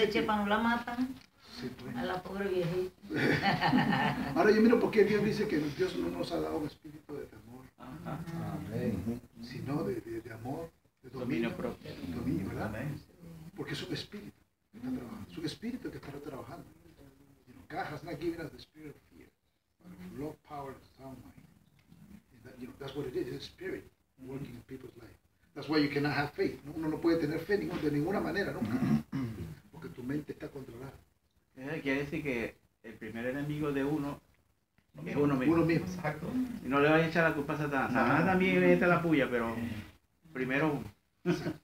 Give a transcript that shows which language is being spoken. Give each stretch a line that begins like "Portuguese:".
Spanish: Leche para no la matan. A la pobre viejita. Ahora yo miro porque Dios dice que Dios no nos ha dado un espíritu de temor. Amén. Sino de amor, de dominio propio. Dominio, ¿verdad? Amén. Porque es un espíritu que está trabajando. Es un espíritu que está trabajando.
English: You know, God has not given us the spirit of fear, but of love, power, and sound mind. And that, you know, that's what it is. It's a spirit working in people's life. That's why you cannot have faith. ¿No?
Spanish: Uno no puede tener fe de ninguna manera, nunca. Porque tu mente está controlada. Quiere decir que el primer enemigo de uno. Es uno mismo. Uno mismo. Exacto. Y no le vas a echar la culpa a Satanás. Satanás también le echa la puya, pero primero uno.